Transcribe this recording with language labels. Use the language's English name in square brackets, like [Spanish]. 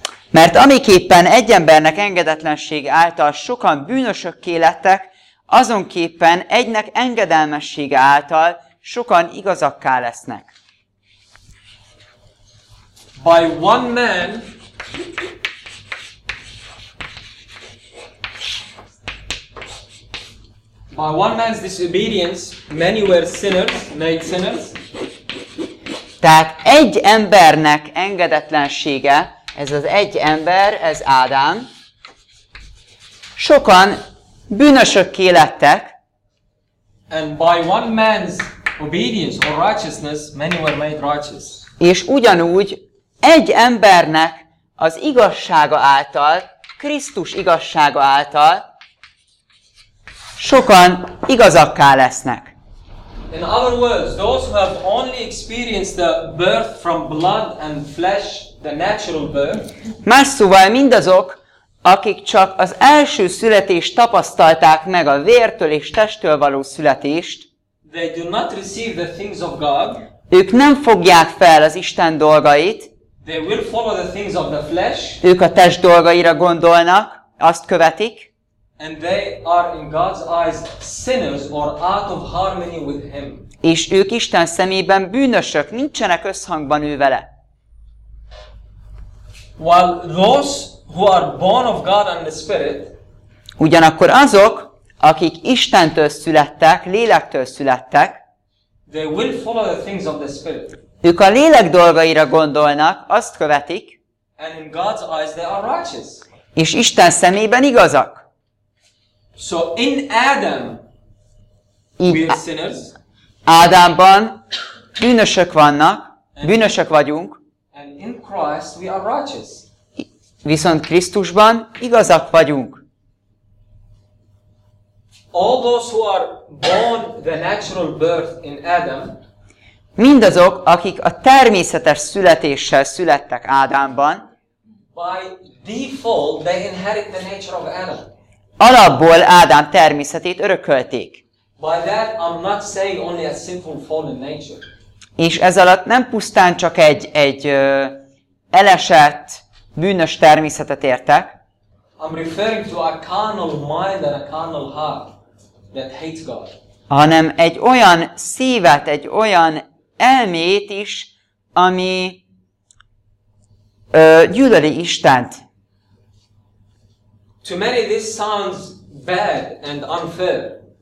[Hungarian] Mert amiképpen egy embernek engedetlenség által sokan bűnösökké lettek, azonképpen egynek engedelmessége által sokan igazakká lesznek. [English] By one man, by one man's disobedience, many were sinners, made sinners. [Hungarian] Tehát egy embernek engedetlensége, ez az egy ember, ez Ádám, sokan bűnösökké lettek. [English] And by one man's obedience or righteousness, many were made righteous. [Hungarian] És ugyanúgy egy embernek az igazsága által, Krisztus igazsága által, sokan igazakká lesznek. [English] In other words, those who have only experienced the birth from blood and flesh, the natural birth. [Hungarian] Más szóval mindazok, akik csak az első születést tapasztalták meg a vértől és testtől való születést, [English] they do not receive the things of God. [Hungarian] Ők nem fogják fel az Isten dolgait. [English] They will follow the things of the flesh. [Hungarian] Ők a test dolgaira gondolnak, azt követik. [English] And they are in God's eyes sinners or out of harmony with him. [Hungarian] És ők Isten szemében bűnösök, nincsenek összhangban ő vele. [English] While those who are born of God and the Spirit, [Hungarian] ugyanakkor azok, akik Istentől születtek, lélektől születtek, [English] they will follow the things of the Spirit. [Hungarian] Ők a lélek dolgaira gondolnak, azt követik, [English] and in God's eyes they are righteous. [Hungarian] És Isten szemében igazak. [English] So in Adam, we are sinners. [Hungarian] Ádámban bűnösök vannak, bűnösök vagyunk. [English] And in Christ we are righteous. [Hungarian] Viszont Krisztusban igazak vagyunk. [English] All those who are born the natural birth in Adam, [Hungarian] mindazok, akik a természetes születéssel születtek Ádámban, [English] by default they inherit the nature of Adam. [Hungarian] Alapból Ádám természetét örökölték. [English] By that I'm not saying only a sinful fallen nature. [Hungarian] És ez alatt nem pusztán csak egy elesett, bűnös természetet értek. [English] I'm referring to a carnal mind and a carnal heart that hates God. [Hungarian] Hanem egy olyan szívet, egy olyan elmét is, ami gyűlöli Istent. [English] To many this sounds bad and unfair.